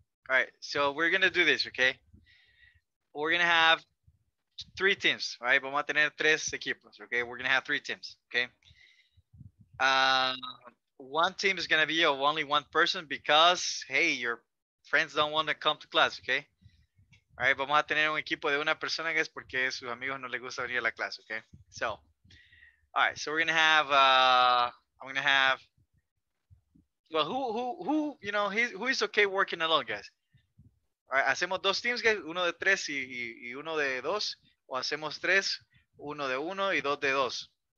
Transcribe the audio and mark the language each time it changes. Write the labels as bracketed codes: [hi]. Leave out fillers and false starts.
[en] All right, so we're going to do this, okay? We're going to have 3 teams, right? [es] Vamos a tener 3 equipos, [en] okay? We're going to have 3 teams, okay? One team is going to be of only one person because, hey, your friends don't want to come to class, okay? [es] All right, vamos a tener un equipo de una persona, guys, porque sus amigos no les gusta venir a la clase, okay? [en] So, all right, so we're going to have, I'm going to have, well, who is okay working alone, guys? All right, [es] hacemos 2 teams, guys, uno de 3 y uno de 2, o hacemos 3, uno de 1 y 2 de 2.